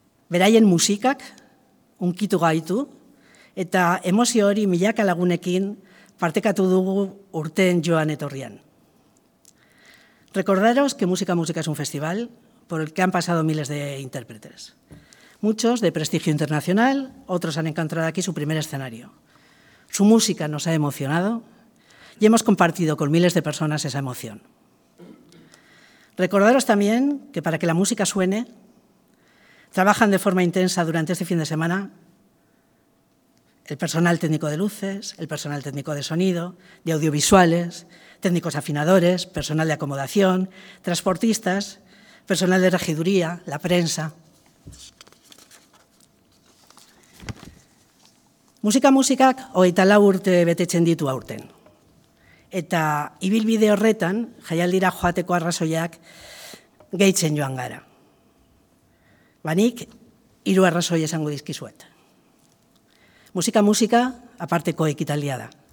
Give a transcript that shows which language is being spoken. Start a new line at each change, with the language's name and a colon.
Basque: Beraien musikak unkitu gaitu eta emozio hori milaka lagunekin partekatu dugu urteen joan etorrian.
Spanish: Recordaros que Música Música es un festival por el que han pasado miles de intérpretes. Muchos de prestigio internacional, otros han encontrado aquí su primer escenario. Su música nos ha emocionado y hemos compartido con miles de personas esa emoción. Recordaros también que para que la música suene, trabajan de forma intensa durante este fin de semana. El personal técnico de luces, el personal técnico de sonido, de audiovisuales, técnicos afinadores, personal de acomodación, transportistas, personal de regiduría, la prensa.
Basque: Musika-musikak hogeita lau urte betetzen ditu aurten. Eta ibilbide horretan, jaialdira joateko arrazoiak gehitzen joan gara. Banik, hiru arrazoi esango dizkizuet. Musika-musika aparteko ekitaldia da.